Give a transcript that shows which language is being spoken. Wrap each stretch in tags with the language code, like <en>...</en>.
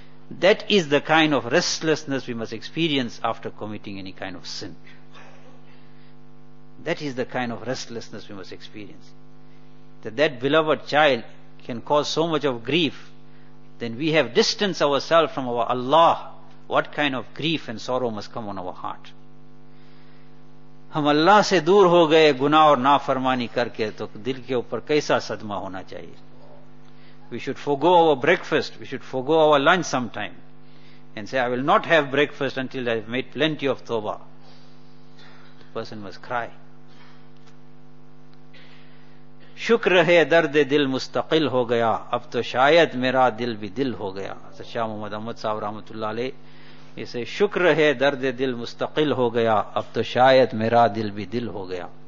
<en>That is the kind of restlessness we must experience after committing any kind of sin. That is the kind of restlessness we must experience. That beloved child can cause so much of grief, then we have distanced ourselves from our Allah. What kind of grief and sorrow must come on our heart?</en> <ur>ہم اللہ سے دور ہو گئے گناہ اور نافرمانی کر کے تو دل کے اوپر کیسا صدمہ ہونا چاہیے.</ur> <en>We should forgo our breakfast, we should forgo our lunch sometime and say, I will not have breakfast until I have made plenty of tawbah. The person must cry.</en> <ur>شکر ہے درد دل مستقل ہو گیا اب تو شاید میرا دل بھی دل ہو گیا. شاہ محمد احمد صاحب رحمۃ اللہ علیہ, اسے شکر ہے درد دل مستقل ہو گیا اب تو شاید میرا دل بھی دل ہو گیا.</ur>